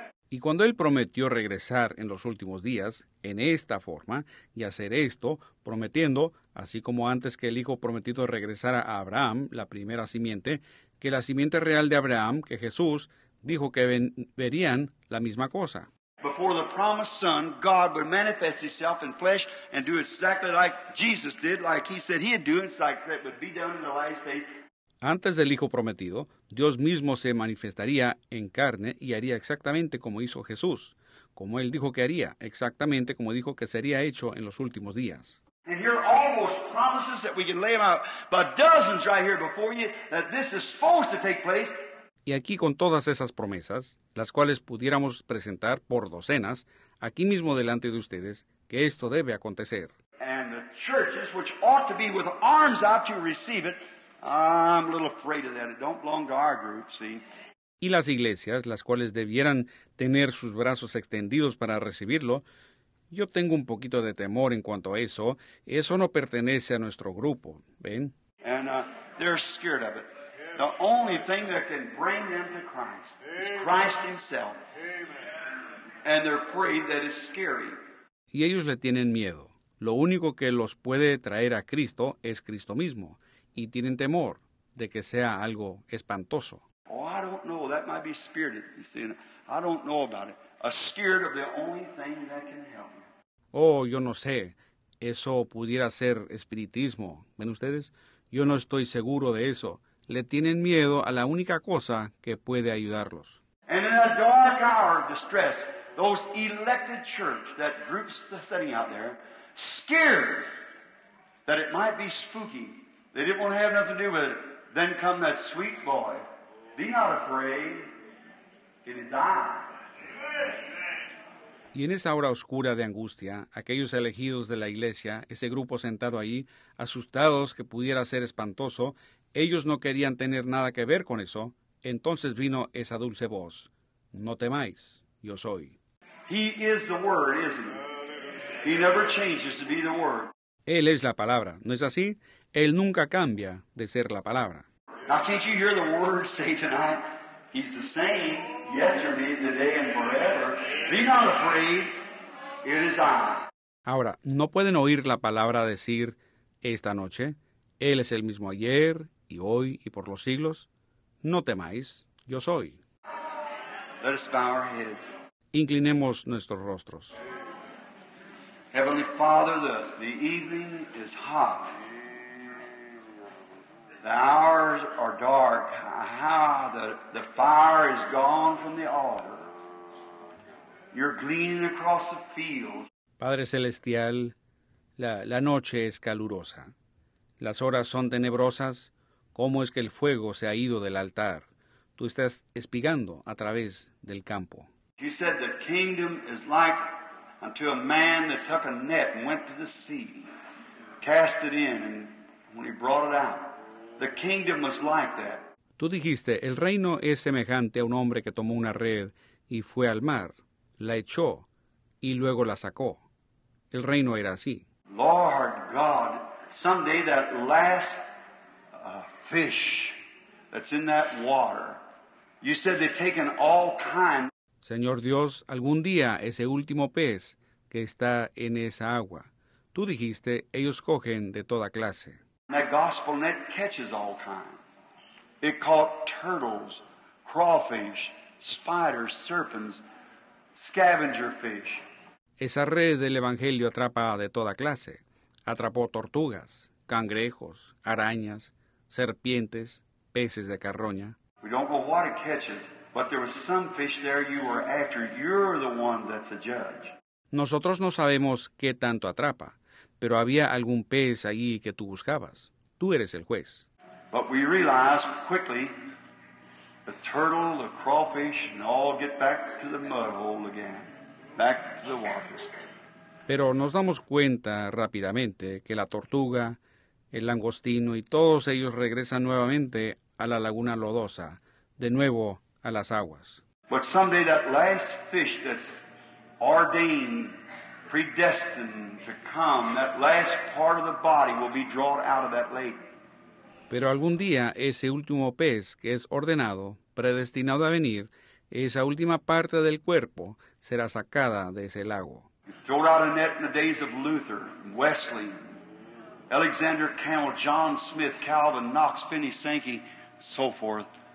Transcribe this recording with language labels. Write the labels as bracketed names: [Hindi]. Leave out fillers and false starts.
[Spanish] Y cuando él prometió regresar en los últimos días, en esta forma, y hacer esto, prometiendo, así como antes que el hijo prometido regresara a Abraham, la primera simiente, que la simiente real de Abraham, que Jesús, dijo que verían la misma cosa. [English] Before the promised son, God would manifest himself in flesh and do exactly like Jesus did, like he said he'd do, it's like that would be done in the last days. [Spanish] Antes del Hijo Prometido, Dios mismo se manifestaría en carne y haría exactamente como hizo Jesús, como Él dijo que haría, exactamente como dijo que sería hecho en los últimos días. [English] And here are all those promises that we can lay out by dozens right here before you that this is supposed to take place. [Spanish] Y aquí con todas esas promesas, las cuales pudiéramos presentar por docenas, aquí mismo delante de ustedes, que esto debe acontecer. [English] And the churches, which ought to be with arms out to receive it, I'm a little afraid of that. It don't belong to our group, see. [Spanish] Y las iglesias, las cuales debieran tener sus brazos extendidos para recibirlo, yo tengo un poquito de temor en cuanto a eso. Eso no pertenece a nuestro grupo, ¿ven? [English] And they're scared of it. The only thing that can bring them to Christ is Christ himself. Amen. And they're afraid that it's scary. [Spanish] Y ellos le tienen miedo. Lo único que los puede traer a Cristo es Cristo mismo. Y tienen temor de que sea algo espantoso. [English] Oh, I don't know. That might be spirited, you see. I don't know about it. A scared of the only thing that can help me. [Spanish] Oh, yo no sé. Eso pudiera ser espiritismo. ¿Ven ustedes? Yo no estoy seguro de eso. Le tienen miedo a la única cosa que puede ayudarlos. [English] And in a dark hour of distress, those elected church, that group's sitting out there, scared that it might be spooky. They didn't want to have nothing to do with it. Then come that sweet boy. Be not afraid. It is I. [Spanish] Y en esa hora oscura de angustia, aquellos elegidos de la iglesia, ese grupo sentado ahí, asustados que pudiera ser espantoso, ellos no querían tener nada que ver con eso. Entonces vino esa dulce voz. No temáis. Yo soy. [English] He is the Word, isn't he? He never changes to be the Word. [Spanish] Él es la palabra, ¿no es así? Él nunca cambia de ser la palabra. [English] Now, can't you hear the word say tonight? He's the same yesterday, today, and forever. Be not afraid. It is I. [Spanish] Ahora, ¿no pueden oír la palabra decir esta noche? Él es el mismo ayer, y hoy, y por los siglos. No temáis, yo soy. [English] Let us bow our heads. [Spanish] Inclinemos nuestros rostros. [English] Heavenly Father, the evening is hot. The hours are dark. Ah, the fire is gone from the altar. You're gleaning across the fields. [Spanish] Padre Celestial, la noche es calurosa. Las horas son tenebrosas. ¿Cómo es que el fuego se ha ido del altar? Tú estás espigando a través del campo. [English] He said the kingdom is like unto a man that took a net and went to the sea, cast it in, and when he brought it out, the kingdom was like that. [Spanish] Tú dijiste, el reino es semejante a un hombre que tomó una red y fue al mar, la echó y luego la sacó. El reino era así. [English] Lord God, someday that last fish that's in that water, you said they've taken all kinds. [Spanish] Señor Dios, algún día ese último pez que está en esa agua, tú dijiste, ellos cogen de toda clase. [English] That gospel net catches all kinds. It caught turtles, crawfish, spiders, serpents, scavenger fish. [Spanish] Esa red del Evangelio atrapa de toda clase. Atrapó tortugas, cangrejos, arañas, serpientes, peces de carroña. [English] We don't know what it catches, but there was some fish there you were after. You're the one that's a judge. [Spanish] Nosotros no sabemos qué tanto atrapa, pero había algún pez allí que tú buscabas. Tú eres el juez. [English] But we realize quickly the turtle, the crawfish, and all get back to the mud hole again. Back to the waters. [Spanish] Pero nos damos cuenta rápidamente que la tortuga, el langostino y todos ellos regresan nuevamente a la laguna lodosa, de nuevo a las aguas. [English] But someday that last fish that's ordained, predestined to come, that last part of the body will be drawn out of that lake. [Spanish] Pero algún día ese último pez que es ordenado, predestinado a venir, esa última parte del cuerpo será sacada de ese lago. [English] Throw out a net in the days of Luther, Wesley, Alexander Campbell, John Smith, Calvin, Knox, Finney, Sankey, so forth.